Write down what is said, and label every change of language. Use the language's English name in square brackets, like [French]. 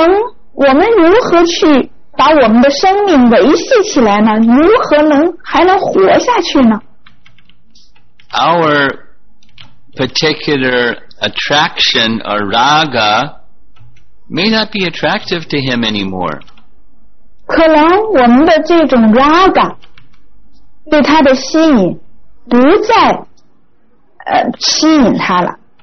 [Chinese] 如果你去到马图亚，成为马图亚的统治者，那我们怎么能，我们如何去？把我们的生命维系起来呢？如何能还能活下去呢？ [English] Our particular attraction or raga may not be attractive to him anymore. [Chinese] 可能我们的这种 raga 对他的吸引不再吸引他了。